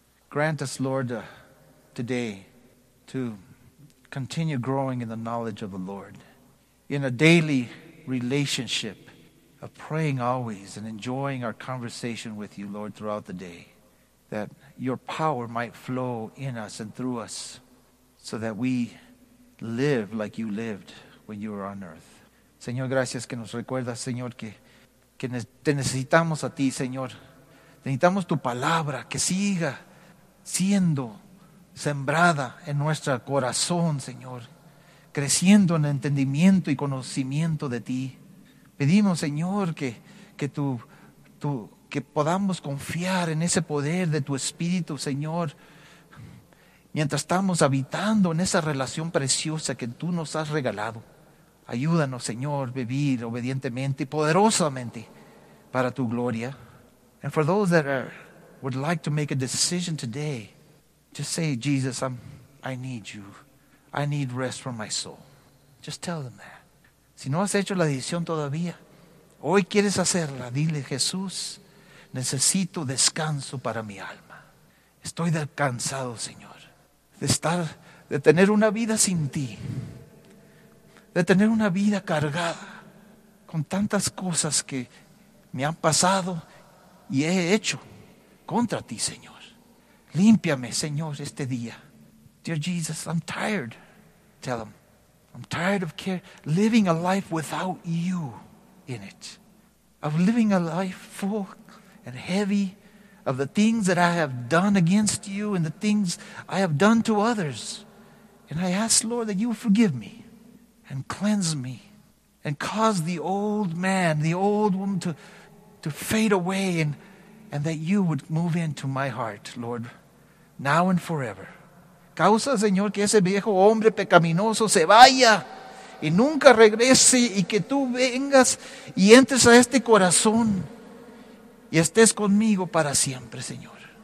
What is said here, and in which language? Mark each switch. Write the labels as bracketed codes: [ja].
[en] Grant us, Lord, today to continue growing in the knowledge of the Lord, in a daily relationship of praying always and enjoying our conversation with you, Lord, throughout the day, that your power might flow in us and through us so that we live like you lived when you were on earth. [es] Señor, gracias que nos recuerdas, Señor, que te necesitamos a ti, Señor. Necesitamos tu palabra que siga siendo sembrada en nuestro corazón, Señor, creciendo en entendimiento y conocimiento de ti. Pedimos, Señor, que podamos confiar en ese poder de tu Espíritu, Señor, mientras estamos habitando en esa relación preciosa que tú nos has regalado. Ayúdanos, Señor, vivir obedientemente y poderosamente para tu gloria. [en] And for those that would like to make a decision today, just say, Jesus, I need you. I need rest for my soul. Just tell them that. [es] Si no has hecho la decisión todavía, hoy quieres hacerla, dile, Jesús, necesito descanso para mi alma. Estoy cansado, Señor, de tener una vida sin ti, de tener una vida cargada con tantas cosas que me han pasado y he hecho contra ti, Señor. Límpiame, Señor, este día. [en] Dear Jesus, I'm tired. Tell him. I'm tired of living a life without you in it. Of living a life full and heavy of the things that I have done against you and the things I have done to others. And I ask, Lord, that you forgive me and cleanse me and cause the old man, the old woman to fade away, and that you would move into my heart, Lord, now and forever. [es] Causa, Señor, que ese viejo hombre pecaminoso se vaya y nunca regrese, y que tú vengas y entres a este corazón y estés conmigo para siempre, Señor.